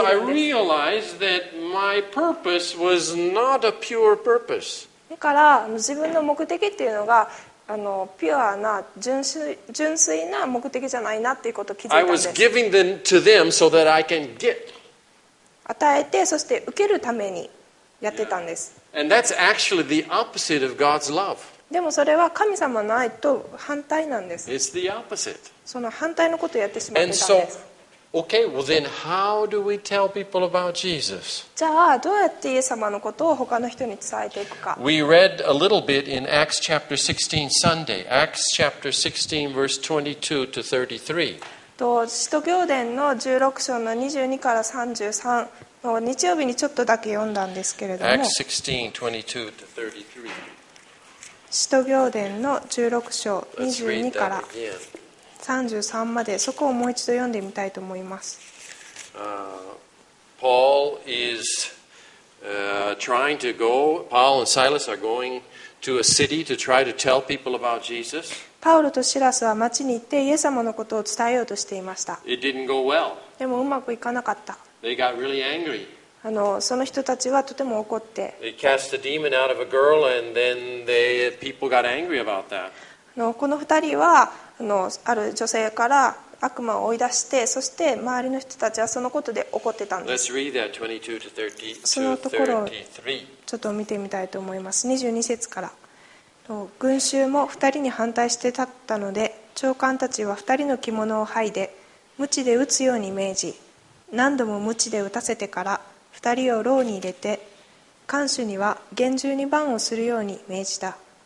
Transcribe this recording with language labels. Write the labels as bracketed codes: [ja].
[en] And so I realized that my purpose was not a pure purpose. [ja] だから自分の目的っていうのがピュアな純粋な目的じゃないなっていうことを気づいたんです。 [en] I was giving them to them so that I can get. [ja] 与えてそして受けるためにやってたんです。 [en] Yeah. And that's actually the opposite of God's love. [ja] でもそれは神様の愛と反対なんです。 [en] It's the opposite. [ja] その反対のことをやってしまったんです。 [en] And so, okay, well then, how do we tell people about Jesus? [ja] じゃあどうやってイエス様のことを他の人に伝えていくか。 [en] We read a little bit in Acts chapter 16 Sunday. Acts chapter 16 verse 22 to 33. [ja] と使徒行伝の16章の22から33の日曜日にちょっとだけ読んだんですけれども。 [en] Acts 16, 22 to 33. [ja] 使徒行伝の16章22から33まで、そこをもう一度読んでみたいと思います。 [en] Paul is trying to go. Paul and Silas are going to a city to try to tell people about Jesus. [ja] パウロとシラスは町に行ってイエス様のことを伝えようとしていました。 [en] It didn't go well. [ja] でもうまくいかなかった。 [en] They got really angry. [ja] その人たちはとても怒って。 [en] They cast a demon out of a girl, and then people got angry about that. [ja] この二人はある女性から悪魔を追い出して、そして周りの人たちはそのことで怒ってたんです。 [en] Let's read that 22 to 33. [ja] そのところをちょっと見てみたいと思います。22節から。群衆も二人に反対して立ったので、長官たちは二人の着物を剥いで、鞭で打つように命じ、何度も鞭で打たせてから、二人を牢に入れて、看守には厳重に番をするように命じた。